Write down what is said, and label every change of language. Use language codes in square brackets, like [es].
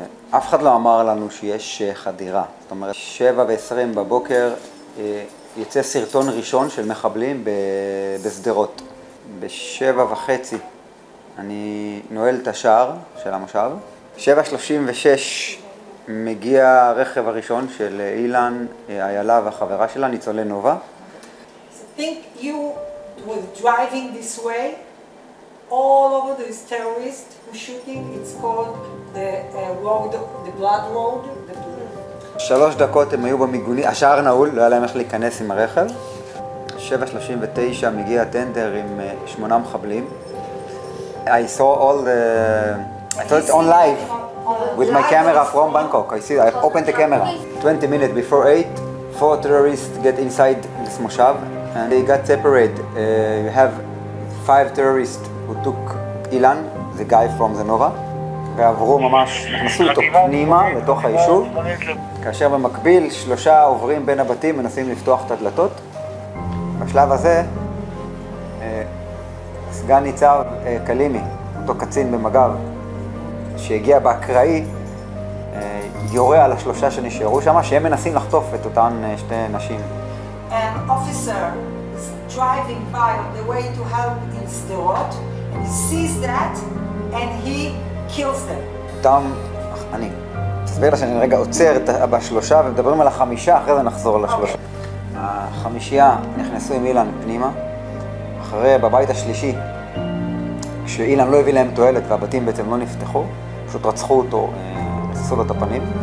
[he] אף אחד לא אמר לנו שיש חדירה. זאת אומרת, 7:20 בבוקר יצא סרטון ראשון של מחבלים בשדרות. ב-7:30 אני נועל את השער של המושב. 7:36 מגיע הרכב הראשון של אילן, איילה והחברה שלה, ניצולי נובה. [en] Think you were driving this way all over these terrorists who shooting, it's called the road, the blood road. [he] 3 דקות הם היו במיגוני, השער נעול, לא היה להם איך להיכנס עם הרכב. 7:39 מגיע טנדר עם 8 מחבלים. [en] I saw all the... I saw it on live with my camera from Bangkok. I see, I opened the camera. 20 minutes before 8, 4 terrorists get inside this moshav and they got separated. You have 5 terrorists who took Ilan, the guy from the Nova. [he] ועברו ממש, נכנסו אותו פנימה לתוך היישוב. כאשר במקביל 3 עוברים בין הבתים, מנסים לפתוח את הדלתות. בשלב הזה, סגן ניצב קלימי, אותו קצין במג"ב, שהגיע באקראי, יורה על 3 שנשארו שם, שהם מנסים לחטוף את אותן שתי נשים. [en] An officer is driving by on the way to help in Sderot, he sees that and he kills them. [he] אותם, אני אסביר לה שאני רגע עוצר ב3 ומדברים על 5, אחרי זה נחזור ל3. החמישייה נכנסו עם אילן פנימה, אחרי בבית השלישי, כשאילן לא הביא להם תועלת והבתים בעצם לא נפתחו, פשוט רצחו אותו, עשו לו את הפנים.